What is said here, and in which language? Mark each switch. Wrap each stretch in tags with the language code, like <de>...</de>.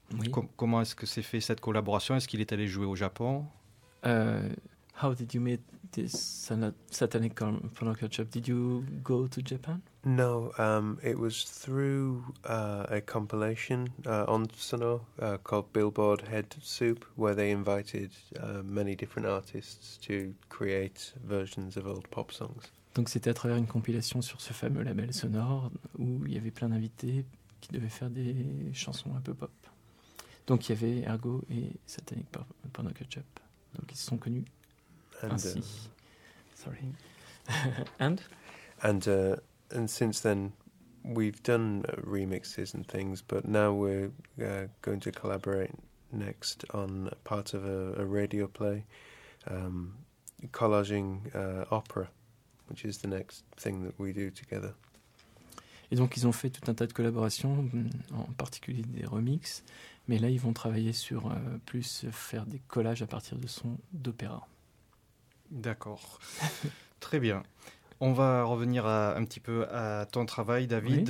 <fr>Oui. Comment est-ce que s'est fait cette collaboration? Est-ce qu'il est allé jouer au Japon?</fr> <en>How did you meet this Satanic Porno Cult Shop? Did you go to Japan? No, it was through a compilation on Sonor called Billboard Head Soup, where they invited many different artists to create versions of old pop songs.</en> <fr>Donc c'était à travers une compilation sur ce fameux label Sonor où il y avait plein d'invités qui devaient faire des chansons un peu pop. Donc il y avait Ergo et Satanic Porno Cult Shop. Donc ils se sont connus.</fr> <en>And, sorry. And? And since then, we've done remixes and things, but now we're going to collaborate next on part of a radio play, collaging opera, which is the next thing that we do together.</en> <fr>Et donc, ils ont fait tout un tas de collaborations, en particulier des remixes, mais là, ils vont travailler sur plus faire des collages à partir de sons d'opéra. D'accord. Très bien. On va revenir un petit peu à ton travail, David,</fr>